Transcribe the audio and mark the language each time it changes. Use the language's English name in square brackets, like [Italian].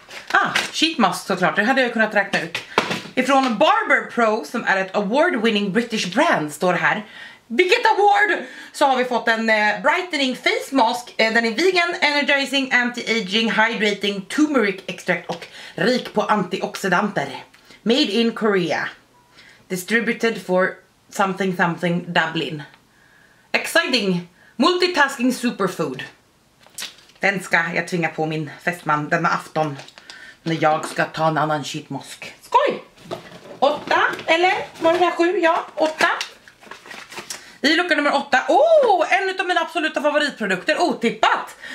[Swedish] Ah, sheet mask såklart, det hade jag kunnat räkna ut. Ifrån Barber Pro, som är ett [English] award winning British brand, [Swedish] står det här. Vilket award! Så har vi fått en [English] brightening face mask. [Swedish] Den är [English] vegan, energizing, anti-aging, hydrating, turmeric extract [Swedish] och rik på antioxidanter. [English] Made in Korea. Distributed for something something Dublin. Exciting! Multitasking superfood. [Swedish] Den ska jag tvinga på min fästman denna afton. När jag ska ta en annan sheet mask. Skoj! 8, eller? Var det här 7? Ja, 8. I lucka nummer 8, en av mina absoluta favoritprodukter, otippat!